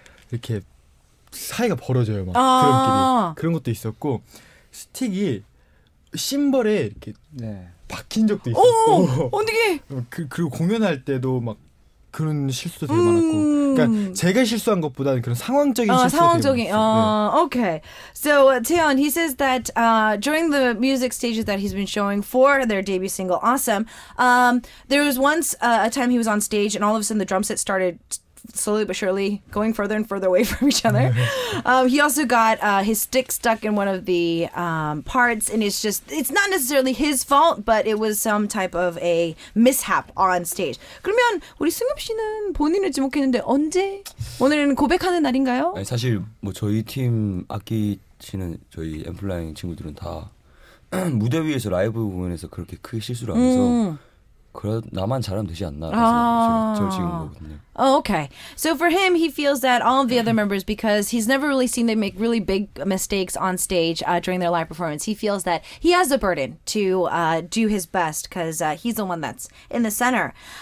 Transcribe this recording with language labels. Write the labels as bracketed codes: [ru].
[ko] 이렇게 사이가 벌어져요. 막 아~ 드럼끼리. 그런 것도 있었고 스틱이 심벌에 이렇게 네. 박힌 적도 있었고 어떻게 그리고 공연할 때도 막 그런 실수도 되게 많았고 그러니까 제가 실수한 것보다는 그런 상황적인 실수가 상황적인, 되게 많았어요. [en] Okay. So, Taewon, he says that during the music stages that he's been showing for their debut single, Awesome, there was once a time he was on stage and all of a sudden the drum set started slowly but surely going further and further away from each other. he also got his stick stuck in one of the parts and it's just, it's not necessarily his fault, but it was some type of a mishap on stage. [ko] 그러면 우리 승엽 씨는 본인을 지목했는데 언제? 오늘은 고백하는 날인가요? 아니, 사실 뭐 저희 팀 아끼시는 저희 엔플라잉 친구들은 다 무대 위에서 라이브 공연에서 그렇게 크게 실수를 하면서 나만 잘하면 되지 않나 그래서 저 지금 거거든요. [en] Oh, okay. So for him, he feels that all of the other members, because he's never really seen them make really big mistakes on stage during their live performance, he feels that he has a burden to do his best because he's the one that's in the center.